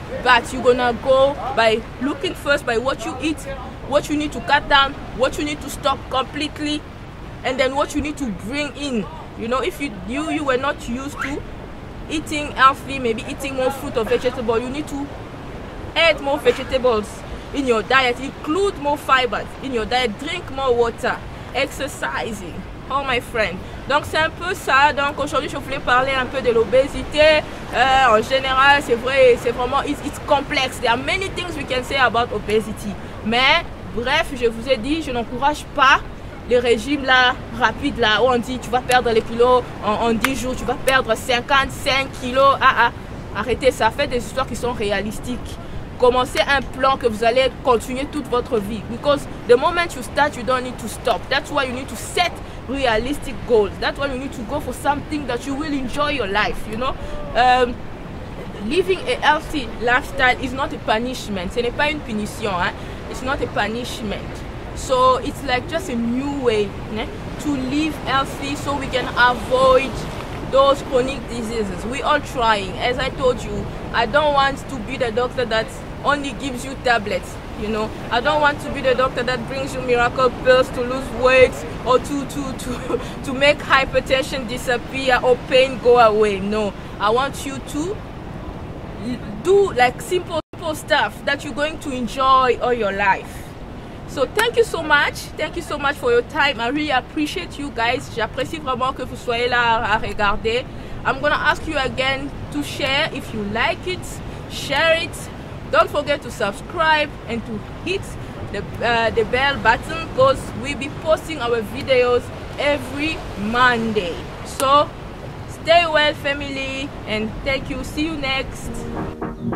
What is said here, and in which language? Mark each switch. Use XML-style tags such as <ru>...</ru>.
<en>But you're gonna go by looking first by what you eat, what you need to cut down, what you need to stop completely, and then what you need to bring in. You know, if you were not used to eating healthy, maybe eating more fruit or vegetable, you need to add more vegetables in your diet, include more fibers in your diet, drink more water, exercising. Oh my friend.</en> <fr>Donc c'est un peu ça. Donc aujourd'hui je voulais parler un peu de l'obésité. En général, c'est vrai, c'est vraiment,</fr> <en>it's complex. There are many things we can say about obesity.</en> <fr>Mais bref, je vous ai dit, je n'encourage pas les régimes là, rapides là, où on dit tu vas perdre les kilos en 10 jours, tu vas perdre 55 kilos. Ah ah, arrêtez ça, faites des histoires qui sont réalistiques. Commencez un plan que vous allez continuer toute votre vie.</fr> <en>Because the moment you start, you don't need to stop. That's why you need to set realistic goals. That's why you need to go for something that you will enjoy your life, you know. Living a healthy lifestyle is not a punishment.</en> <fr>Ce n'est pas une punition, hein?</fr> <en>It's not a punishment. So it's like just a new way, né? To live healthy so we can avoid those chronic diseases. We all trying. As I told you, I don't want to be the doctor that only gives you tablets, you know. I don't want to be the doctor that brings you miracle pills to lose weight or to make hypertension disappear or pain go away. No, I want you to do like simple stuff that you're going to enjoy all your life. So thank you so much. Thank you so much for your time. I really appreciate you guys.</en> <fr>J'apprécie vraiment que vous soyez là à regarder.</fr> <en>I'm gonna ask you again to share if you like it, share it. Don't forget to subscribe and to hit the bell button, because we'll be posting our videos every Monday. So stay well, family, and thank you. See you next.</en>